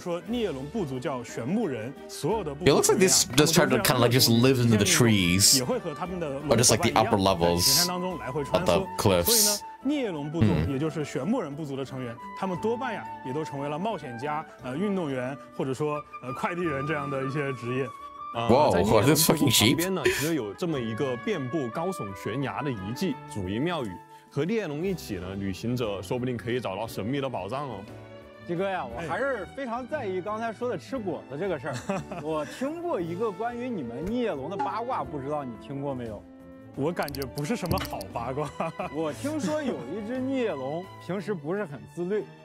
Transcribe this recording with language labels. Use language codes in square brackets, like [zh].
[zh] 在其他的时段里面，它还可以作为孽龙在山峦之间来回穿梭的这样的一个媒介。那既然孽龙这么厉害，它们部族的人呢？哎，那么这不得不说，孽龙部族叫玄木人，所有的部族。 [en] It looks like this just started to kind of like just live in the trees, or just like the upper levels of the cliffs. [zh] 孽龙部族，也就是玄木人部族的成员，他们多半呀，也都成为了冒险家、运动员，或者说快递员这样的一些职业。哇，这是 [en] fucking sheep。 [zh] 旁边呢，其实有这么一个遍布高耸悬崖的遗迹，主营庙宇。和猎龙一起呢，旅行者说不定可以找到神秘的宝藏哦。鸡哥呀，我还是非常在意刚才说的吃果子这个事儿。我听过一个关于你们猎龙的八卦，不知道你听过没有？我感觉不是什么好八卦。我听说有一只猎龙平时不是很自律。